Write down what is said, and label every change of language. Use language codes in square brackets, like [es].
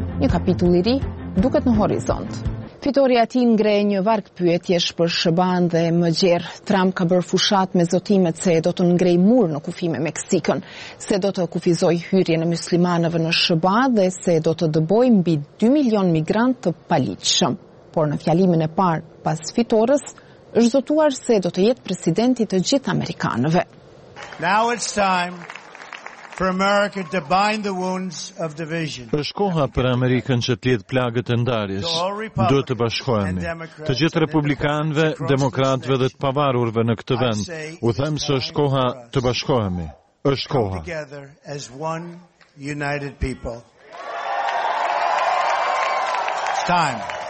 [sq] Një kapitull i ri duket në horizont. Fitoria e tij ngrej një varg pyetjesh për SBA-n dhe më gjerë Trump ka bërë fushat me zotimet se do të ngrej mur në kufi me Meksikën, se do të kufizoj hyrjen e muslimanëve në SBA dhe se do të dëboj mbi 2 milion migrantë të paligjshëm. Por në fjalimin e parë pas fitores, është zotuar se do të jetë presidenti të gjithë amerikanëve. [en] Now it's time for America to bind the wounds of division. [sq] Është koha për Amerikën që të lidhë plagët e ndarjes. Duhet të bashkohemi. Të gjithë republikanëve, demokratëve dhe të pavarurve në këtë vend, u them se është koha të bashkohemi. Është koha. [en] As one united people. It's time.